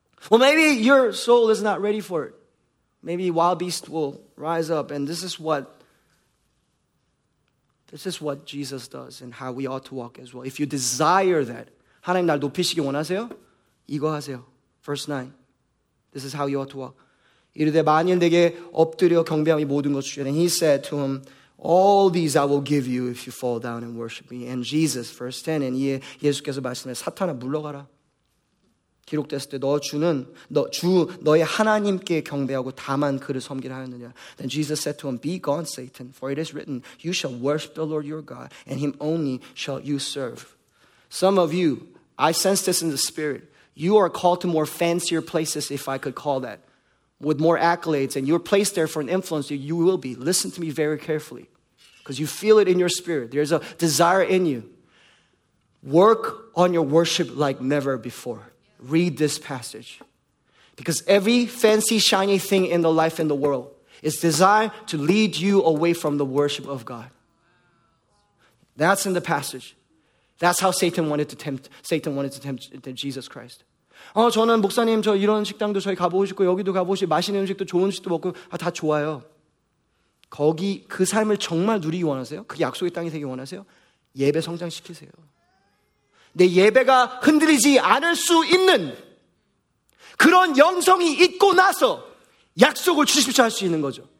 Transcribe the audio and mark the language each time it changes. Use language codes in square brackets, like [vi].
[en] Well, maybe your soul is not ready for it. Maybe wild beast will rise up. And this is what This is what Jesus does and how we ought to walk as well. If you desire that, [ko] 하나님 날 높이시기 원하세요? 이거 하세요. [en] Verse 9. This is how you ought to walk. [ko] 이르되 만일 내게 엎드려 경배함이 모든 것을 주시되 [en] And he said to him, All these I will give you if you fall down and worship me. And Jesus, verse 10, and [ko] 이에 예수께서 말씀해 사탄아 물러가라. 기록됐을 때 너 주는 너 주 너의 하나님께 경배하고 다만 그를 섬기라 하였느냐. [en] Then Jesus said to him, Be gone, Satan, for it is written, You shall worship the Lord your God, and him only shall you serve. Some of you, I sense this in the spirit, you are called to more fancier places, if I could call that, with more accolades, and you're placed there for an influence, you will be. Listen to me very carefully, because you feel it in your spirit. There's a desire in you. Work on your worship like never before. Read this passage. Because every fancy, shiny thing in the life in the world is designed to lead you away from the worship of God. That's in the passage. That's how Satan wanted to tempt Jesus Christ. [ko] 어, 저는 목사님 저 이런 식당도 저희 가보고 싶고 여기도 가보고 싶고 맛있는 음식도 좋은 음식도 먹고 아, 다 좋아요. 거기 그 삶을 정말 누리기 원하세요? 그 약속의 땅이 되기 원하세요? 예배 성장시키세요. 내 예배가 흔들리지 않을 수 있는 그런 영성이 있고 나서 약속을 주십시오 할 수 있는 거죠.